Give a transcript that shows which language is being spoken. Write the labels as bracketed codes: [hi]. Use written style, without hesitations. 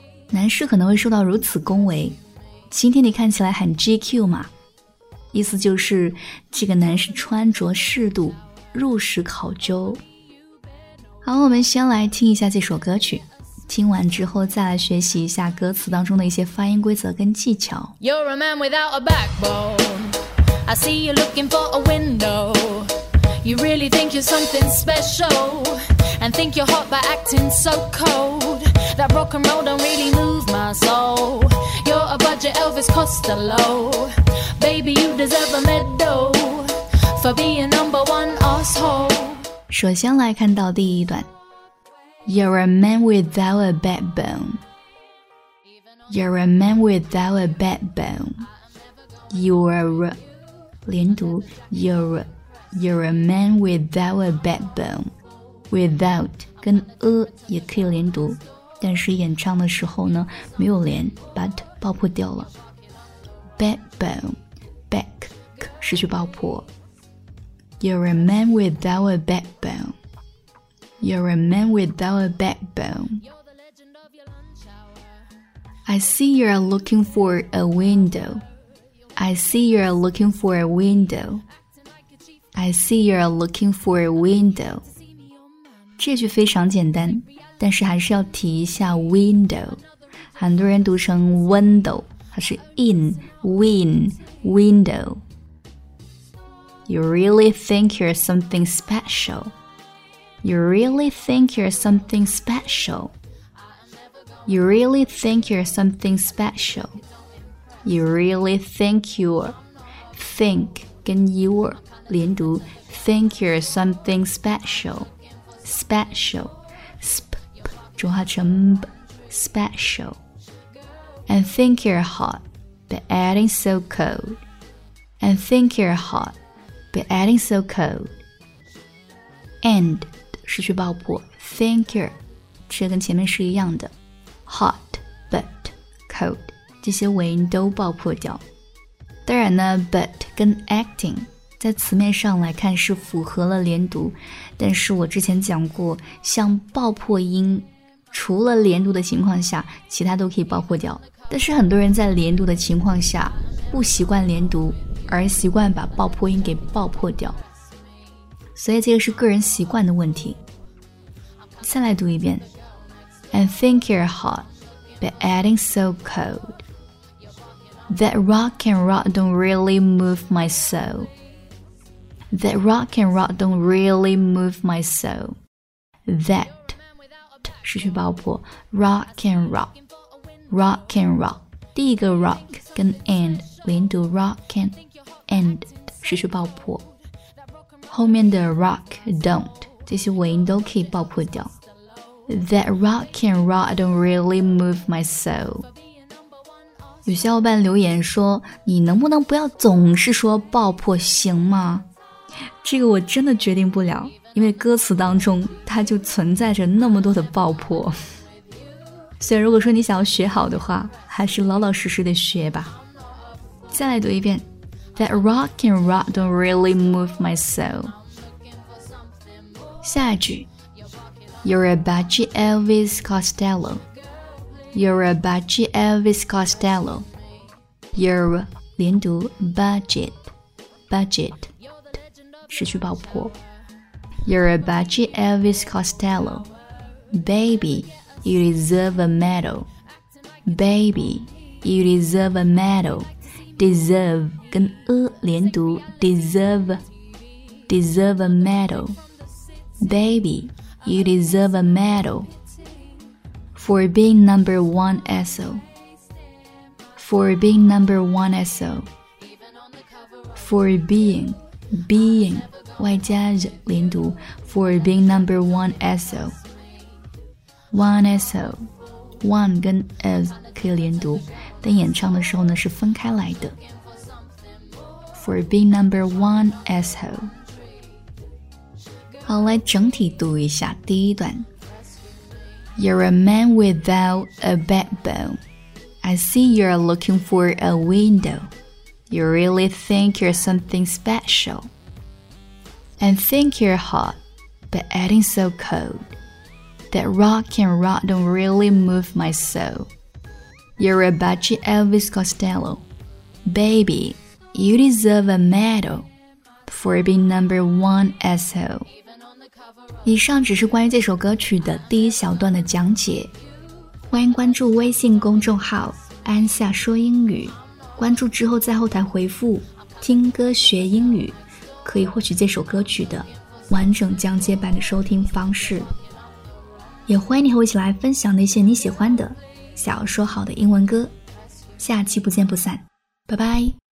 [zh] 男士可能会受到如此恭维，今天你看起来很 GQ 嘛，意思就是这个男士穿着适度，入时考究。好，我们先来听一下这首歌曲，听完之后再来学习一下歌词当中的一些发音规则跟技巧。 [en] You're a man without a backbone. I see you looking for a window. You really think you're something special. And think you're hot by acting so cold. That rock and roll don't really move my soul. You're a budget Elvis Costello. Baby you deserve a medal. For being number one asshole. [zh] 首先来看到第一段， [en] You're a man without a backbone. You're a man without a backbone. You're 连读 You're a man without a backbone. [zh] Without 跟也可以连读，但是演唱的时候呢没有连，把爆破掉了。 Backbone back 失去爆破。 [en] You're a man without a backbone. You're a man without a backbone. I see you're looking for a window. I see you're looking for a window. I see you're looking for a window. [zh] 这句非常简单，但是还是要提一下 window. 很多人读成 window， 它是 in, win, window. [en] You really think you're something special. You really think you're something special. You really think you're something special. You really think you're think 跟 you're 连读 think you're something special. Special, sp 浊化成 mb, special. And think you're hot, but adding so cold. And think you're hot. You're adding so cold. [zh] And 失去爆破 [en] Think you're [zh] 这跟前面是一样的 Hot, but, cold 这些尾音都爆破掉。当然呢 but 跟 acting 在词面上来看是符合了连读，但是我之前讲过，像爆破音除了连读的情况下其他都可以爆破掉，但是很多人在连读的情况下不习惯连读，而习惯把爆破音给爆破掉，所以这个是个人习惯的问题。再来读一遍 [en] And think you're hot, but adding so cold. That rock and roll don't really move my soul. That rock and roll don't really move my soul. That 失去爆破 Rock and roll. [zh] Rock and roll 第一个 rock 跟 and 连读 rock andand 失去爆破，后面的 rock don't 这些尾音都可以爆破掉。 [en] That rock and roll don't really move my soul。 [zh] 有小伙伴留言说，你能不能不要总是说爆破行吗？这个我真的决定不了，因为歌词当中它就存在着那么多的爆破，所以如果说你想要学好的话，还是老老实实的学吧。再来读一遍， [en] That rock and roll don't really move my soul. [zh] 下一句 [en] You're a budget Elvis Costello. You're a budget Elvis Costello. You're 连读 budget budget 失去爆破 You're a budget Elvis Costello. Baby, you deserve a medal. Baby, you deserve a medal. Deserve 跟连读 Deserve Deserve a medal Baby You deserve a medal for being number one SO. For being number one SO. For being, being, 外加连读 for being number one SO. One SO. [zh] One 跟 S 可以连读，但演唱的时候呢是分开来的。 [en] For being number one SO. [zh] 好，来整体读一下第一段。 [en] You're a man without a backbone. I see you're looking for a window. You really think you're something special. And think you're hot, but acting so cold. That rock and roll don't really move my soul. You're a budget Elvis Costello. Baby, you deserve a medal for being number one asshole. [zh] 以上只是关于这首歌曲的第一小段的讲解，欢迎关注微信公众号安夏说英语，关注之后在后台回复听歌学英语，可以获取这首歌曲的完整讲解版的收听方式，也欢迎你和我一起来分享那些你喜欢的想要说好的英文歌，下期不见不散，拜拜。